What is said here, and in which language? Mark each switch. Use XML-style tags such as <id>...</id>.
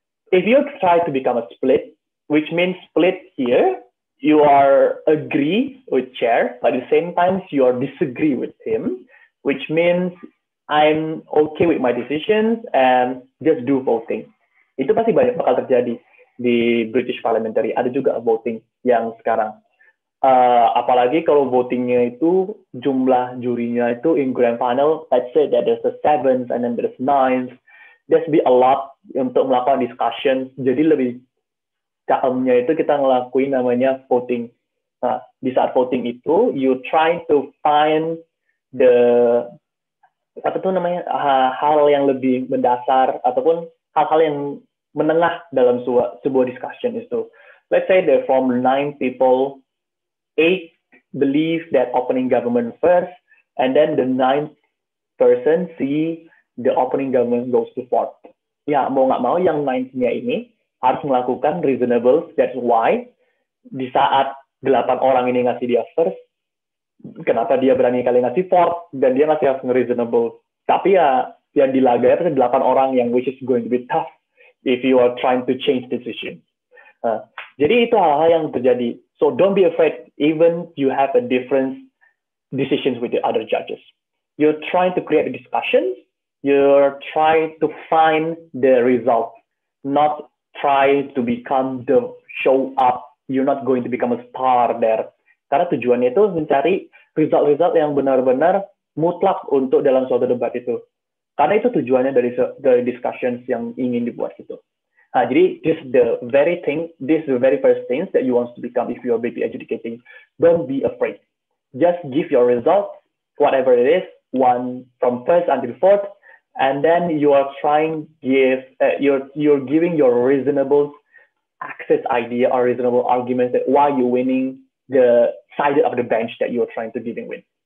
<en>If you try to become a split, which means split here, you are agree with chair, but at the same time, you are disagree with him, which means I'm okay with my decisions and just do voting.</en> <id>Itu pasti banyak bakal terjadi di British Parliamentary. Ada juga voting yang sekarang. Apalagi kalau votingnya itu jumlah jurinya itu</id> <en>in grand final, let's say that there's a seventh and then there's ninth. There's be a lot</en> <id>untuk melakukan</id> <en>discussion.</en> <id>Jadi lebih dalamnya itu kita ngelakuin namanya voting. Nah, di saat voting itu,</id> <en>you try to find the</en> <id>apa tuh namanya hal yang lebih mendasar ataupun hal-hal yang menengah dalam sebuah discussion itu.</id> <en>Let's say there from 9 people, 8th believes that opening government first, and then the 9th person see the opening government goes to 4th.</en> <id>Ya, mau nggak mau yang 9th-nya ini harus melakukan reasonable.</id> <en>That's why</en> <id>di saat 8 orang ini ngasih dia first, kenapa dia berani kali ngasih 4th, dan dia masih harus reasonable. Tapi ya, yang dilagai itu 8 orang yang</id> <en>which is going to be tough if you are trying to change decision.</en> <id>Jadi itu hal-hal yang terjadi.</id> <en>So don't be afraid even you have a different decisions with the other judges. You're trying to create a discussion. You're trying to find the result. Not try to become the show up. You're not going to become a star there.</en> <id>Karena tujuannya itu mencari result-result yang benar-benar mutlak untuk dalam suatu debat itu. Karena itu tujuannya dari discussions yang ingin dibuat itu. Nah, jadi</id> <en>this is the very first thing that you want to become if you are BP adjudicating. Don't be afraid. Just give your result, whatever it is, one from first until fourth, and then you are trying give you're giving your reasonable access idea or reasonable arguments that why you winning the side of the bench that you are trying to giving win.</en>